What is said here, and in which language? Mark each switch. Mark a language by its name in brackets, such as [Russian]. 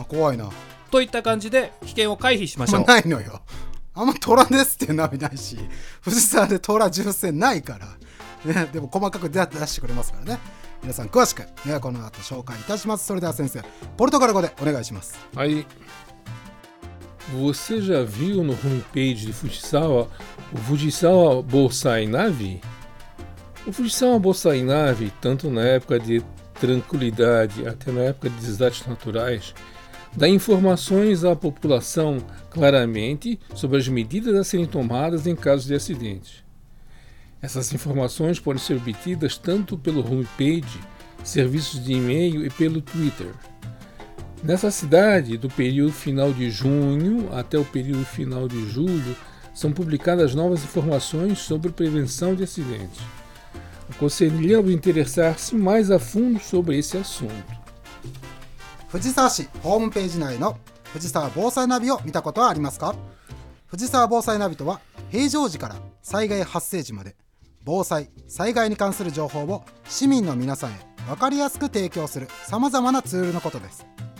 [Japanese] あ怖いな、といった感じで危険を回避しましょう。ないのよ、あんま虎ですってナビないし、藤沢で虎銃声ないから、ね、でも細かく出してくれますからね。皆さん詳しく、ね、この後紹介いたします。それでは先生ポルトガル語でお願いします。 [Portuguese] はい、Você já viu no homepage de Fujisawa o Fujisawa Bosai Navi? O Fujisawa Bosai Navi, tanto na época de tranquilidade até na época de desastres naturais, dá informações à população claramente sobre as medidas a serem tomadas em caso de acidente. Essas informações podem ser obtidas tanto pelo homepage, serviços de e-mail e pelo Twitter. Nessa cidade, do período final de junho até o período final de julho, são publicadas novas informações sobre prevenção de acidentes. Aconselhamos interessar-se mais a fundo sobre esse assunto. [Japanese] Fujisawa-shi, homepage 内の Fujisawa Bosai Navi を見たことはありますか? Fujisawa Bosai Navi とは、平常時から災害発生時まで、防災、災害に関する情報を市民の皆さんへ分かりやすく提供するさまざまなツールのことです。